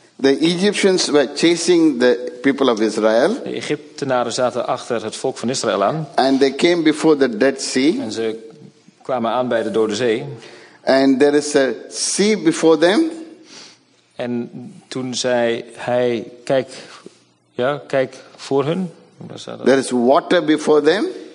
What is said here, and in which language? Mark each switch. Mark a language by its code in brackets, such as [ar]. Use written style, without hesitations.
[en] The Egyptians were chasing the people of Israel. [nl] De Egyptenaren zaten achter het volk van Israël aan. [en] And they came before the Dead Sea. [nl] En ze kwamen aan bij de Dode Zee. [en] And there is a sea before them. [nl] En toen zei hij, kijk, ja, kijk voor hun. [en] There is water before them.